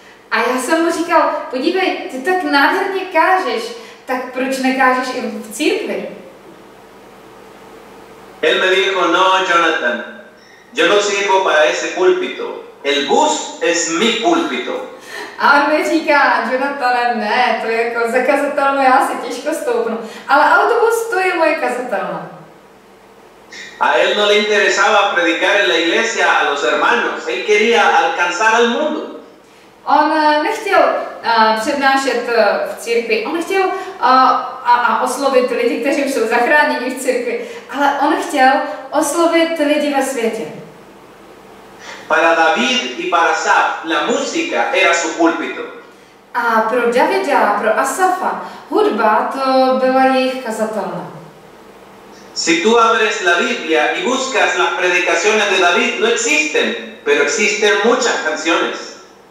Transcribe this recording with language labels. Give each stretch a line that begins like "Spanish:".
Czech: A já jsem mu říkal, podívej, ty tak nádherně kážeš, tak proč nekážeš i v církvi?
Spanish: Él me dijo, no, Jonathan, yo no sirvo para ese púlpito. El bus es mi púlpito.
Czech: A on mi říká, Jonathane, ne, to je jako za kazatelnu, já si těžko stoupnu. Ale autobus, to je moje kazatelna.
Spanish: A él no le interesaba predicar en la iglesia a los hermanos. Él quería alcanzar al mundo.
Czech: On nechtěl přednášet v církvi, on chtěl oslovit lidi, kteří už jsou zachráněni v církvi, ale on chtěl oslovit lidi ve světě.
Spanish: Para David y para Asaf, la música era su púlpito.
Czech: A pro Davida, pro Asafa, hudba to byla jejich kazatelna.
Spanish: Si tú abres la Biblia y buscas las predicaciones de David, no existen, pero existen muchas canciones.